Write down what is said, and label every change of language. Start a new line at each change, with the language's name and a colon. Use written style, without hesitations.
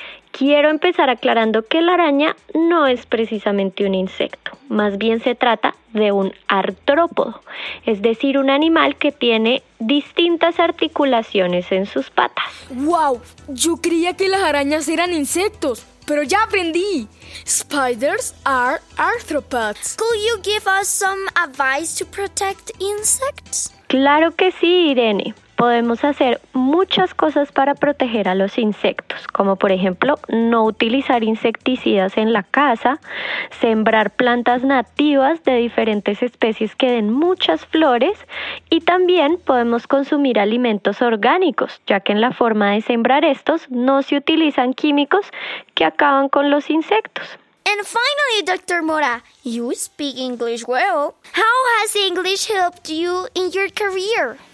Spanish: Quiero empezar aclarando que la araña no es precisamente un insecto. Más bien se trata de un artrópodo, es decir, un animal que tiene distintas articulaciones en sus patas. ¡Wow! Yo creía que las arañas eran insectos, pero ya aprendí.
English: Spiders are arthropods. Could you give us some advice to protect insects?
Spanish: Claro que sí, Irene. Podemos hacer muchas cosas para proteger a los insectos, como por ejemplo, no utilizar insecticidas en la casa, sembrar plantas nativas de diferentes especies que den muchas flores, y también podemos consumir alimentos orgánicos, ya que en la forma de sembrar estos no se utilizan químicos que acaban con los insectos.
English: And finally, Dr. Mora, you speak English well. How has English helped you in your career?